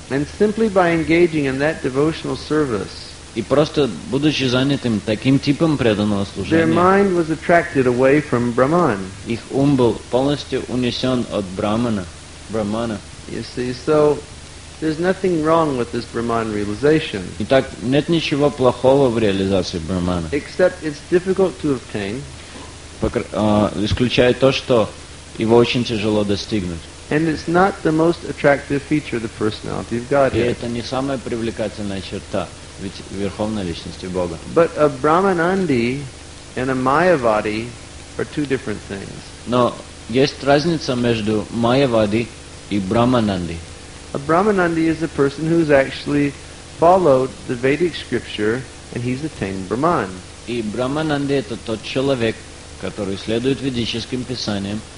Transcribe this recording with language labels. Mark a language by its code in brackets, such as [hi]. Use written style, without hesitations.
[en] And simply by engaging in that devotional service, [ru] и просто будучи занятым таким типом преданного служения, [en] their mind was attracted away from Brahman. [ru] Их ум был полностью унесен от Брахмана, Брахмана. [en] You see, so there's nothing wrong with this Brahman realization. [ru] Итак, нет ничего плохого в реализации Брахмана. [en] Except it's difficult to obtain. [ru] Исключая то, что его очень тяжело достигнуть. [en] And it's not the most attractive feature of the personality of Godhead. [ru] И это не самая привлекательная черта Верховной Личности Бога. [en] But a Brahmanandi and a Mayavadi are two different things. [ru] Но есть разница между Mayavadi и Brahmanandi. [en] A Brahmanandi is a person who's actually followed the Vedic scripture and he's attained Brahman. [ru] И Brahmanandi это тот человек, который следует ведическим писаниям.